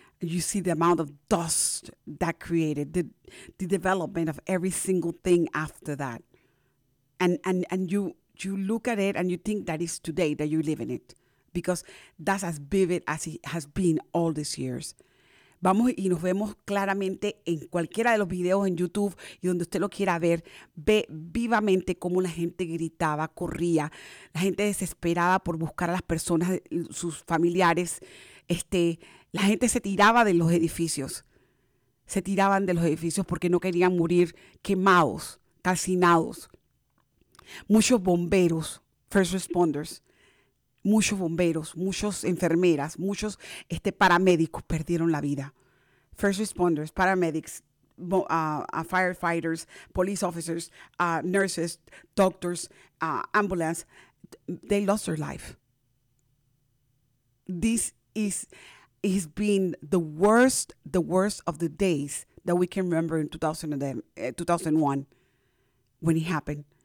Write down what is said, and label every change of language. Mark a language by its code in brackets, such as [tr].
[en] You see the amount of dust that created the development of every single thing after that. And you look at it and you think that is today that you live in it, because that's as vivid as it has been all these years. [es] Vamos y nos vemos claramente en cualquiera de los videos en YouTube y donde usted lo quiera ver, ve vivamente cómo la gente gritaba, corría, la gente desesperada por buscar a las personas, sus familiares, la gente se tiraba de los edificios, se tiraban de los edificios porque no querían morir quemados, calcinados. Muchos bomberos, [en] first responders, [es] muchos bomberos, muchos enfermeras, muchos paramédicos perdieron la vida. [en] First responders, paramedics, firefighters, police officers, nurses, doctors, ambulance, they lost their life. This has been the worst of the days that we can remember in 2001 when it happened.